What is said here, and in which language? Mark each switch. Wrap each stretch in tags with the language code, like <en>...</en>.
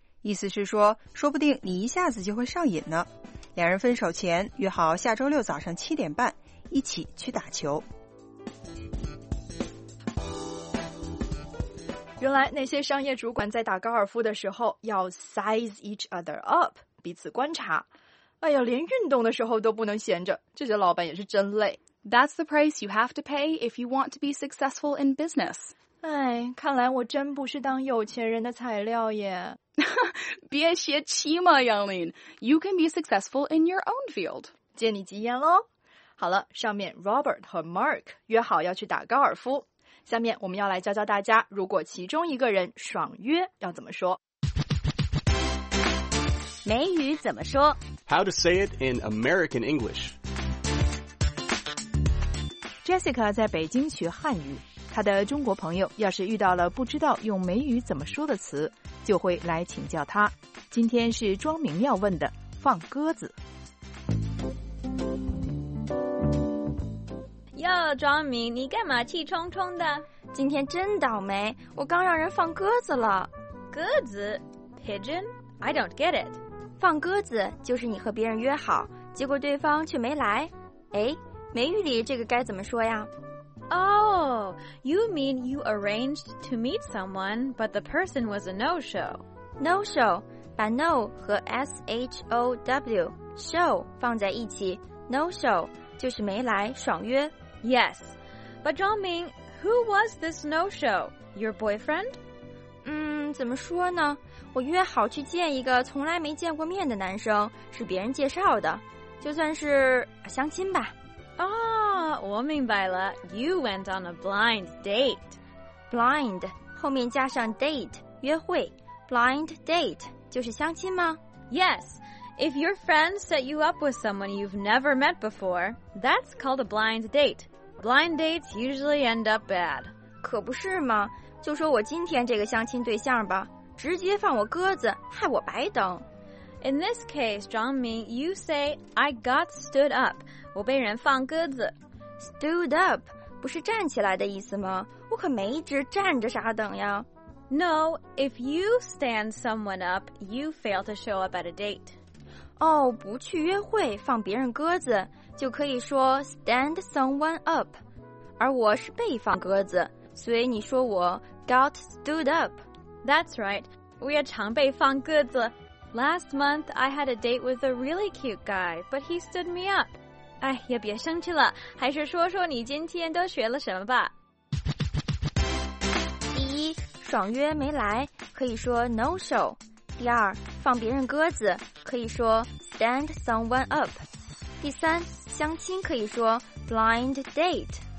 <zh>意思是说，说不定你一下子就会上瘾呢。两人分手前约好下周六早上7:30一起去打球。原来那些商业主管在打高尔夫的时候要</zh> <en>size each other up,</en> <zh>彼此观察。哎呀，连运动的时候都不能闲着，这些老板也是真累。</zh> <en>That's the price you have to pay if you want to be successful in business.</en> <zh>哎，看来我真不是当有钱人的材料耶。别泄气嘛，杨林。</zh> <en>You can be successful in your own field.</en> <zh>借你吉言咯。好了，上面 Robert 和 Mark 约好要去打高尔夫。下面我们要来教教大家，如果其中一个人爽约要怎么说。美语怎么说？ How to say it in American English. Jessica 在北京学汉语，她的中国朋友要是遇到了不知道用美语怎么说的词，就会来请教她。今天是庄明要问的，放鸽子。哟，庄明，你干嘛气冲冲的？今天真倒霉，我刚让人放鸽子了。鸽子</zh> <en>？Pigeon? I don't get it.</en> <zh>放鸽子就是你和别人约好，结果对方却没来。哎，美语里这个该怎么说呀？</zh> <en>Oh, you mean you arranged to meet someone, but the person was a no-show.</en> <zh>No-show, 把 no 和 S-H-O-W, show 放在一起 ,no-show 就是没来，爽约。</zh> <en>Yes, but Zhongming, who was this no-show? Your boyfriend?</en> <zh>怎么说呢？我约好去见一个从来没见过面的男生，是别人介绍的，就算是相亲吧。我明白了。</zh> <en>You went on a blind date.</en> <zh>Blind 后面加上 date 约会 ，blind date 就是相亲吗</zh> <en>？Yes. If your friend set you up with someone you've never met before, that's called a blind date. Blind dates usually end up bad.</en> <zh>可不是吗？就说我今天这个相亲对象吧，直接放我鸽子，害我白等。 In this case, Zhongming, you say, I got stood up. 我被人放鸽子。 Stood up 不是站起来的意思吗？我可没一直站着傻等呀。</zh> <en>No, if you stand someone up, you fail to show up at a date.</en> <zh>不去约会，放别人鸽子。就可以说</zh> <en>stand someone up,</en> <zh>而我是被放鸽子，所以你说我</zh> <en>got stood up. That's right,</en> <zh>我也常被放鸽子。</zh> <en>Last month, I had a date with a really cute guy, but he stood me up.</en> <zh>哎，也别生气了，还是说说你今天都学了什么吧。第一，爽约没来，可以说 no show. 第二，放别人鸽子，可以说 stand someone up. 第三，相亲可以说 blind date。</zh>